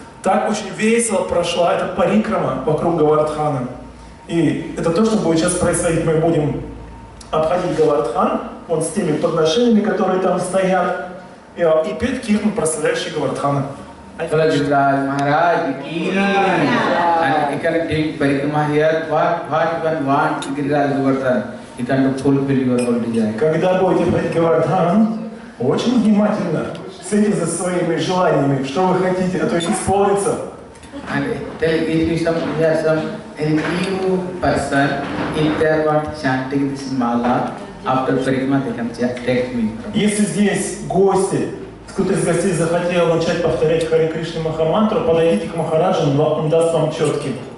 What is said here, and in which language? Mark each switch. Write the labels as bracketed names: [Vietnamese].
[Russian] Так очень весело прошла эта парикрама вокруг Гавардхана. И это то, что будет сейчас происходить. Мы будем обходить Гавардхан, вот с теми подношениями, которые там стоят, и петь кирту, прославляющий Гавардхана. [Hindi] Vrajbhraj Maharaj ki jai. [English] And you can take parikrama here, what you can want to Giriraj Gavardhan. You can fulfill your own desire. [Russian] Когда будете ходить Гавардхан, очень внимательно следите за своими желаниями, что вы хотите, а то еще исполнится. [English] And tell if you some new person, if they want chanting this mala, after parikrama they can just text me. [Russian] Если здесь гости, кто-то из гостей захотел начать повторять Хари Кришна Махамантру, подойдите к Махараджу, он даст вам четкий.